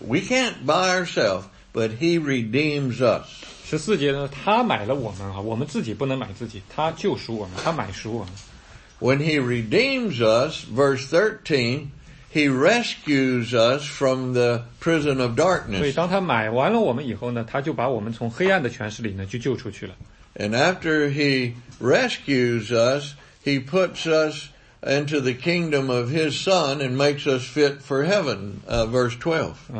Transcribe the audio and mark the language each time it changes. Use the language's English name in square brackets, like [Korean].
[English] We can't buy ourselves, but he redeems us. [Chinese] 14节呢，他买了我们啊，我们自己不能买自己，他救赎我们，他买赎我们。 [English] When he redeems us, verse 13, he rescues us from the prison of darkness. [Chinese] 所以当他买完了我们以后呢，他就把我们从黑暗的权势里呢就救出去了。 [English] And after he rescues us, he puts us into the kingdom of his son and makes us fit for heaven, verse 12.